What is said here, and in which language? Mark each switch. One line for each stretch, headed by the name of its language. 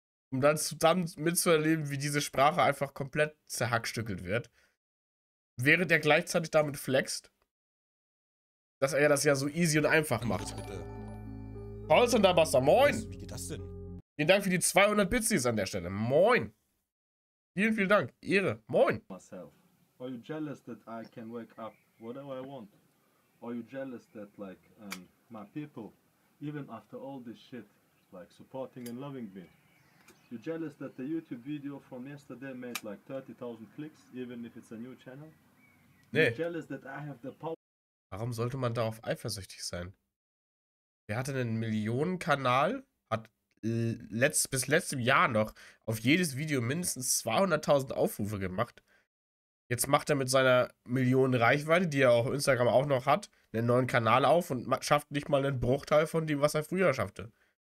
German: Um dann zusammen mitzuerleben, wie diese Sprache einfach komplett zerhackstückelt wird. Während er gleichzeitig damit flext, dass er das ja so easy und einfach macht. Paul Sanderbuster, moin! Wie geht das denn? Vielen Dank für die 200 Bitsies an der Stelle. Moin! Vielen, vielen Dank. Ehre. Moin!
English: Myself. Are you jealous that I can wake up whatever I want? Are you jealous that like my people, even after all this shit, like supporting and loving me? You jealous that the YouTube video from yesterday made like 30,000 clicks, even if it's a new channel?
German: Nee.
English: You jealous that I have the power?
German: Warum sollte man darauf eifersüchtig sein? Wer hat einen Millionenkanal, hat bis letztem Jahr noch auf jedes Video mindestens 200.000 Aufrufe gemacht. Jetzt macht er mit seiner Millionen Reichweite, die er auf Instagram auch noch hat, einen neuen Kanal auf und schafft nicht mal einen Bruchteil von dem, was er früher schaffte.